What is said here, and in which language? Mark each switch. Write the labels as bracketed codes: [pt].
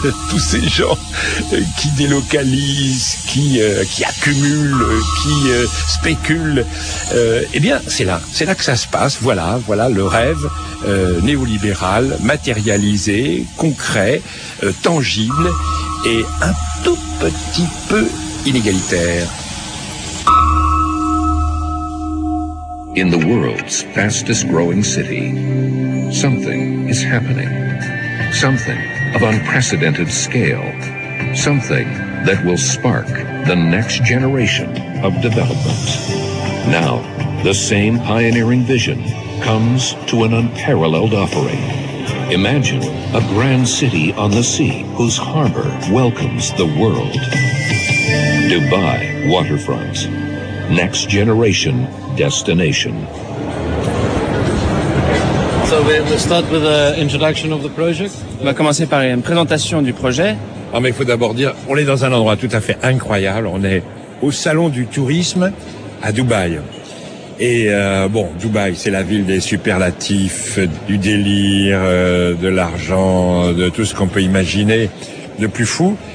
[fr] Tous ces gens qui délocalisent, qui accumulent, qui spéculent. Eh bien, c'est là que ça se passe. Voilà le rêve néolibéral, matérialisé, concret, tangible et un tout petit peu inégalitaire. [en] In the world's fastest growing city, something is happening. Something of unprecedented scale. Something that will spark the next generation of development. Now, the same pioneering vision comes to an unparalleled offering. Imagine a grand city on the sea whose harbor welcomes the world. Dubai Waterfront. Next generation destination. So we'll start with an introduction of the project. [fr] On va commencer par une présentation du projet. Non, mais il faut d'abord dire, on est dans un endroit tout à fait incroyable. On est au Salon du Tourisme à Dubaï. Et bon, Dubaï, c'est la ville des superlatifs, du délire, de l'argent, de tout ce qu'on peut imaginer, de plus fou.